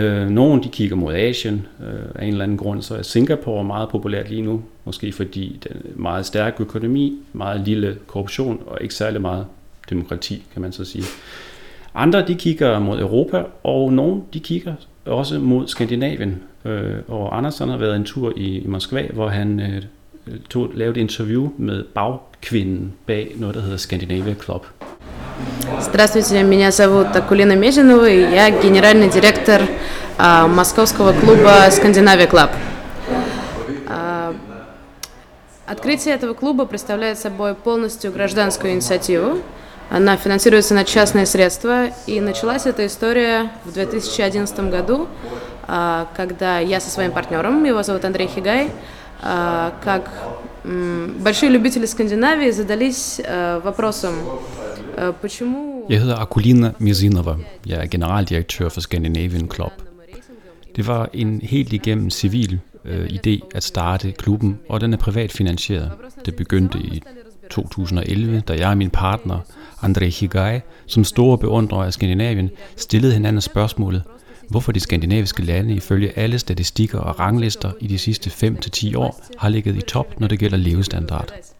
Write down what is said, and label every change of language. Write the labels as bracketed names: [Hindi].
[Danish] Nogle de kigger mod Asien af en eller anden grund, så er Singapore meget populært lige nu, måske fordi den meget stærke økonomi, meget lille korruption og ikke særlig meget demokrati, kan man så sige. Andre de kigger mod Europa, og nogle de kigger også mod Skandinavien. Og Andersen har været en tur i Moskva, hvor han lavede et interview med bagkvinden bag noget, der hedder Scandinavia Club. [Russian] Здравствуйте, меня зовут Акулина Межинова, и я генеральный директор московского клуба Scandinavia Club. Открытие этого клуба представляет собой полностью гражданскую инициативу. Она финансируется на частные средства, и началась эта история в 2011 году, когда я со своим партнером, его зовут Андрей Хигай, как большие любители Скандинавии задались вопросом, почему... Я зовут Акулина Мизинова, я генеральный директор Scandinavian Club. Это была [Danish] en helt igennem civil idé at starte klubben, og den er privat finansieret. Det begyndte i 2011, da jeg og min partner Andrej Higaj, som store beundrer af Skandinavien, stillede hinanden spørgsmålet, hvorfor de skandinaviske lande ifølge alle statistikker og ranglister i de sidste 5-10 år har ligget i top, når det gælder levestandard.